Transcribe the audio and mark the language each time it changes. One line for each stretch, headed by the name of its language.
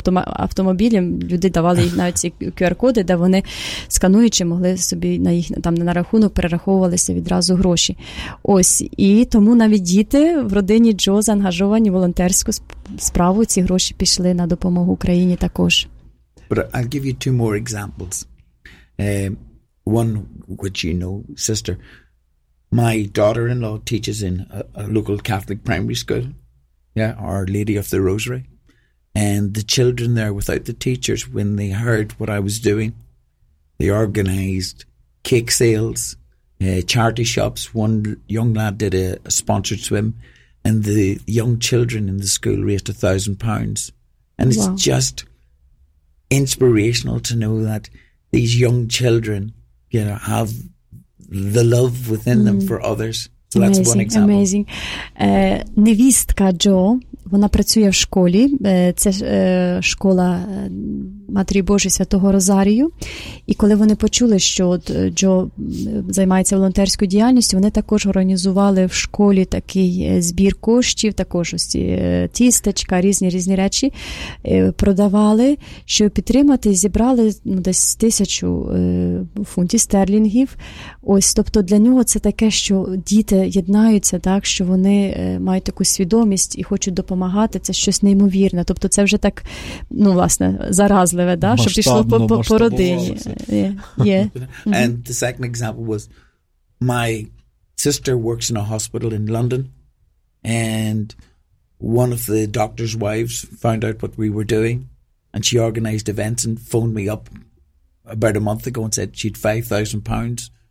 Ukrainian: Тобто автомобілям люди давали їх навіть ці QR-коди, де вони скануючи могли собі на їх там на рахунок перераховувалися відразу гроші. Ось, і тому навіть діти в родині Джо заангажовані волонтерську справу, ці гроші пішли на допомогу Україні також.
English: But I'll give you two more examples. One, which you know, sister, my daughter-in-law teaches in a local Catholic primary school, yeah, Our Lady of the Rosary, and the children there, without the teachers, when they heard what I was doing, they organized cake sales, charity shops. One young lad did a sponsored swim, and the young children in the school raised £1,000. And it's just inspirational to know that these young children, you know, have the love within them for others. So that's amazing, one example. Amazing.
Ukrainian: Невістка Джо, вона працює в школі. Це школа Матері Божої Святого Розарію. І коли вони почули, що от Джо займається волонтерською діяльністю, вони також організували в школі такий збір коштів, також ось тістечка, різні речі продавали, щоб підтримати, зібрали десь 1000 фунтів стерлінгів. Ось, тобто для нього це таке, що діти єднаються, так, що вони мають таку свідомість і хочуть допомагати, це щось неймовірне. Тобто це вже так, ну, власне, заразливо.
English: And the second example was my sister works in a hospital in London, and one of the doctor's wives found out what we were doing, and she organized events and phoned me up about a month ago and said she'd £5,000.